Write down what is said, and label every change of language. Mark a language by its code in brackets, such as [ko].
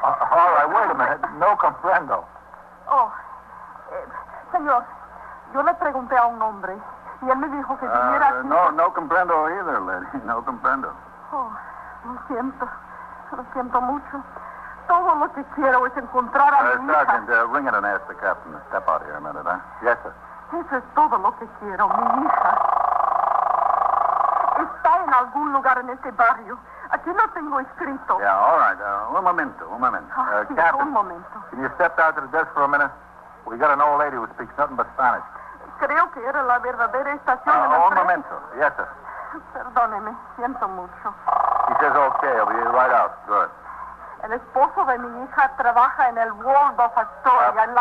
[en] All right, wait a minute. [es] No comprendo. Oh, señor, yo le pregunté a un hombre, y él me dijo que viniera aquí... No comprendo [en] either, lady. [es] No comprendo. Oh, lo siento mucho. Todo lo que quiero es encontrar a mi [en] Sergeant, [es] hija. [en] Sergeant, ring it and ask the captain to step out here a minute, huh? Yes, sir. [es] Eso es todo lo que quiero, mi hija. Está en algún lugar en este barrio. Aquí no tengo escrito. [en] Yeah, all right. [es] Un momento. Captain, un momento. [en] Can you step out to the desk for a minute? We got an old lady who speaks nothing but Spanish. [es] Creo que era la verdadera estación en el tren. Un momento. [en] Yes, sir. [es] Perdóneme, siento mucho. [en] He says okay, I'll be right out. Good. [es] El esposo de mi hija trabaja en el Waldorf Astoria.